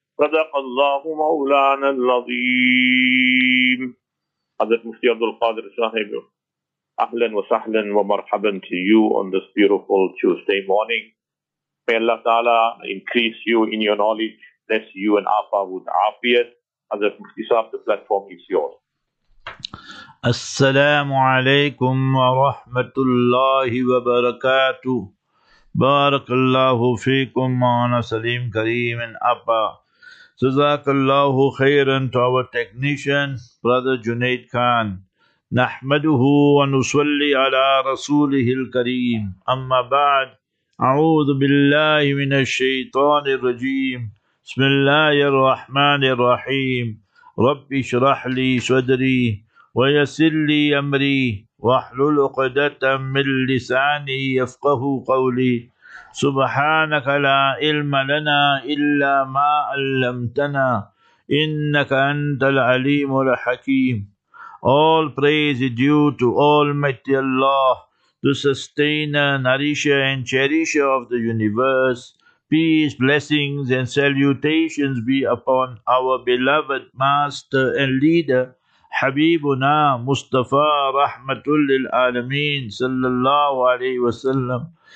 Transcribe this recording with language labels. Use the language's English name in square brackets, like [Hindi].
[Arabic] صدق الله مولانا العظيم. [English] حضرت مفتي عبد القادر صاحب, [Arabic] اهلا وسهلا ومرحبا [English] to you on this beautiful Tuesday morning. May Allah Ta'ala increase you in your knowledge, bless you and Afa with Afiyat. Hazrat Mufti Sahib, the platform is yours. [Arabic] السلام عليكم ورحمة الله وبركاته. بارك الله فيكم معنا سليم كريم and Appa. جزاك الله خيرا [English] to our technician, brother Junaid Khan. [Arabic] نحمده ونصلي على رسوله الكريم. أما بعد, أعوذ بالله من الشيطان الرجيم. بسم الله الرحمن الرحيم. رب اشرح لي صدري ويسر لي أمري واحلل عقدة من لساني يفقه قولي. سبحانك لا علم لنا إلا ما علمتنا إنك أنت العليم الحكيم. [English] All praise is due to Almighty Allah, the sustainer, nourisher and cherisher of the universe. Peace, blessings and salutations be upon our beloved master and leader Habibuna Mustafa Rahmatul Lil Alameen Sallallahu Alaihi Wasallam.